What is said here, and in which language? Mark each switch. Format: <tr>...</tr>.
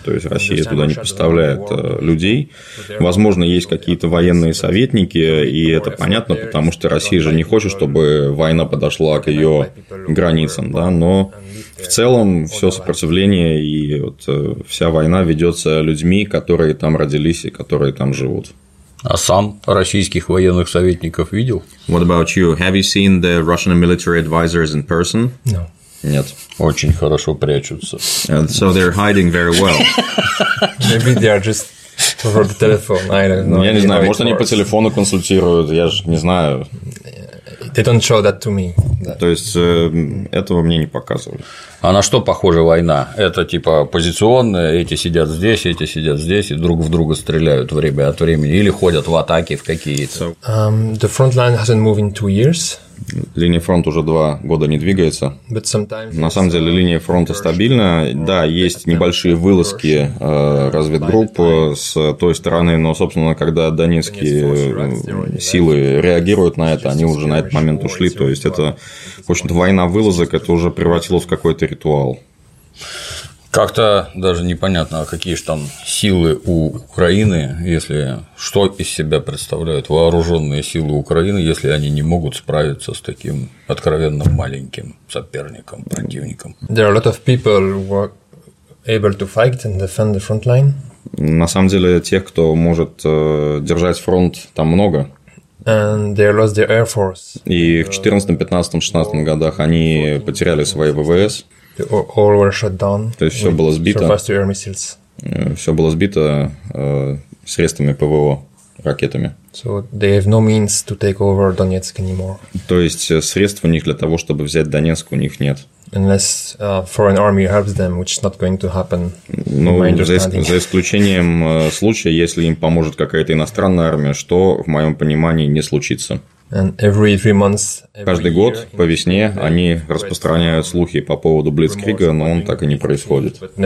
<ru>То есть Россия туда не поставляет людей. Возможно, есть какие-то военные советники, и это понятно, потому что Россия же не хочет, чтобы война подошла к ее границам, да? Но в целом все сопротивление и вот вся война ведется людьми, которые там родились и которые там живут. А сам российских военных советников видел?</ru> <en>What about you? Have you seen the Russian military advisors in person? No.</en> <ru>Нет. Очень хорошо прячутся.</ru> <en>And so they're hiding very well. Maybe they are just over the telephone. I don't know.</en> <ru>Я не знаю, может, они по телефону консультируют, я же не знаю.</ru> <en>They don't show that to me.</en> <ru>То есть этого мне не показывали. А на что похожа война? Это типа позиционная, эти сидят здесь и друг в друга стреляют время от времени или ходят в атаки в какие-то?</ru> <en>So, the front line hasn't moved in 2 years.</en> <ru>Линия фронта уже 2 года не двигается.</ru> <en>But sometimes</en> <ru>на самом деле линия фронта стабильна. Да, есть небольшие вылазки разведгрупп с той стороны, но, собственно, когда донецкие силы реагируют на это, они уже на этот момент ушли. То есть это, в общем-то, война вылазок, это уже превратилось в какой-то ритуал. Как-то даже непонятно, какие же там силы у Украины, если что из себя представляют вооруженные силы Украины, если они не могут справиться с таким откровенно маленьким соперником, противником.</ru> <en>There are a lot of people who are able to fight and defend the front line.</en> <ru>На самом деле тех, кто может держать фронт, там много.</ru> <en>And they lost their air force.</en> <ru>И в 2014, 2015, 2016 годах они потеряли свои ВВС.</ru> <en>All were shut down.</en> <ru>То есть все было сбито. Все было сбито средствами ПВО, ракетами.</ru> <en>So they have no means to take over Donetsk anymore.</en> <ru>То есть средств у них для того, чтобы взять Донецк, у них нет.</ru> <en>Unless foreign army helps them, which is not going to happen.</en> <ru>Ну, за исключением случая, если им поможет какая-то иностранная армия, что в моем понимании не случится.</ru> <en>And every 3 months, every</en> <ru>каждый год</ru> <en>year,</en> <ru>по весне они распространяют слухи по поводу Блицкрига, но он так и не происходит.</ru>